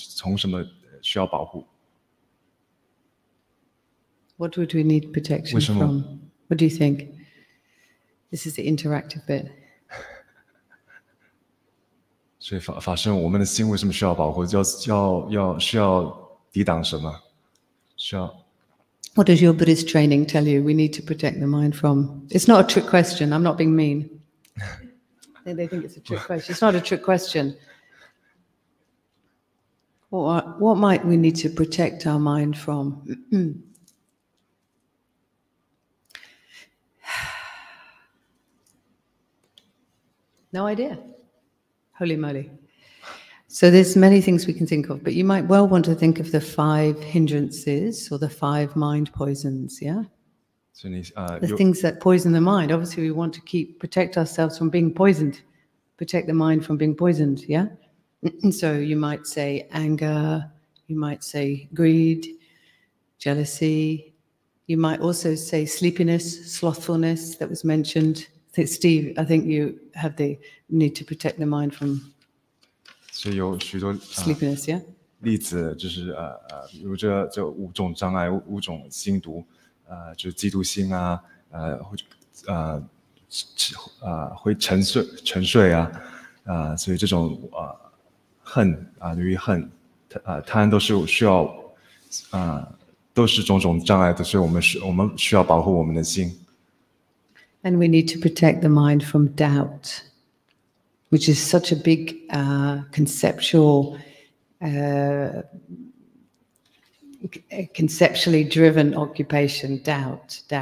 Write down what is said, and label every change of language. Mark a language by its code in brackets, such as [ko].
[zh] 从什么需要保护 [en] ？What would we need protection from? What do you think? This is the interactive bit. [zh] 所以法师，我们的心为什么需要保护？要需要抵挡什么？需要。 [en] What does your Buddhist training tell you we need to protect the mind from? It's not a trick question. I'm not being mean. They think it's a trick question. It's not a trick question. What might we need to protect our mind from? No idea. Holy moly. So there's many things we can think of, but you might well want to think of the five hindrances or the five mind poisons, yeah? So you, the things that poison the mind. Obviously, we want to protect ourselves from being poisoned, protect the mind from being poisoned, yeah? So you might say anger, you might say greed, jealousy. You might also say sleepiness, slothfulness that was mentioned. Steve, I think you have the need to protect the mind from... [zh] 所以有许多 [en] sleepiness, yeah? [zh] 例子，就是比如这五种障碍，五种心毒，就是嫉妒心啊，会沉睡啊，所以这种恨啊，对于恨，贪都是需要都是种种障碍的，所以我们需要保护我们的心。 [en] And we need to protect the mind from doubt. Which is such a big conceptually driven occupation, doubt.